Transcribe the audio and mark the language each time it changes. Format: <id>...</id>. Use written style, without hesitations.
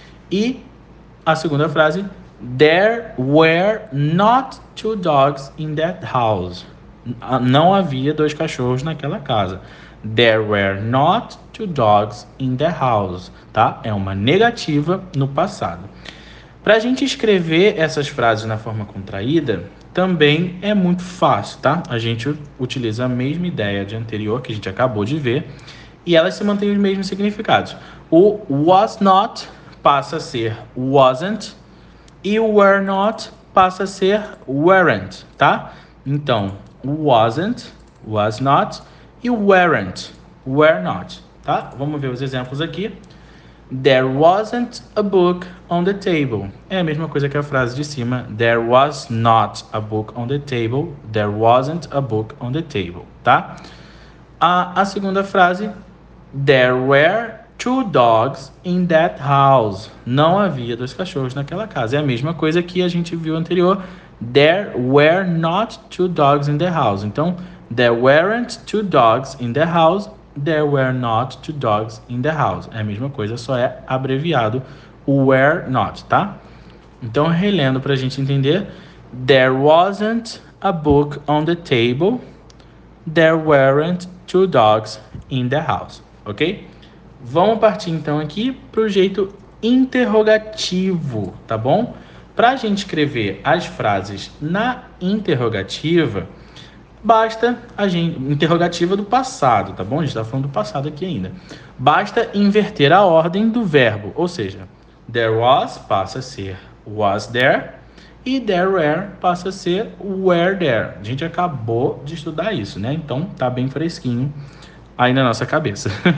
<pt>E a segunda frase,</pt> <en>there were not two dogs in that house.</en> <pt>Não havia dois cachorros naquela casa.</pt> <en>There were not two dogs in the house, tá?</en> <pt>É uma negativa no passado. Para a gente escrever essas frases na forma contraída, também é muito fácil, tá? A gente utiliza a mesma ideia de anterior que a gente acabou de ver e elas se mantêm os mesmos significados. O was not passa a ser wasn't e o were not passa a ser weren't, tá? Então, wasn't, was not e weren't, were not, tá? Vamos ver os exemplos aqui.</pt> <en>There wasn't a book on the table.</en> <pt>É a mesma coisa que a frase de cima.</pt> <en>There was not a book on the table. There wasn't a book on the table.</en> <pt>Tá? A segunda frase.</pt> <en>There were two dogs in that house.</en> <pt>Não havia dois cachorros naquela casa. É a mesma coisa que a gente viu anterior.</pt> <en>There were not two dogs in the house. Então, there weren't two dogs in the house. There were not two dogs in the house.</en> <pt>É a mesma coisa, só é abreviado o were not, tá? Então, relendo para a gente entender.</pt> <en>There wasn't a book on the table. There weren't two dogs in the house, ok?</en> <pt>Vamos partir, então, aqui para o jeito interrogativo, tá bom? Para a gente escrever as frases na interrogativa, basta a gente... Interrogativa do passado, tá bom? A gente está falando do passado aqui ainda. Basta inverter a ordem do verbo. Ou seja, there was passa a ser was there. E there were passa a ser were there. A gente acabou de estudar isso, né? Então, tá bem fresquinho aí na nossa cabeça.</pt>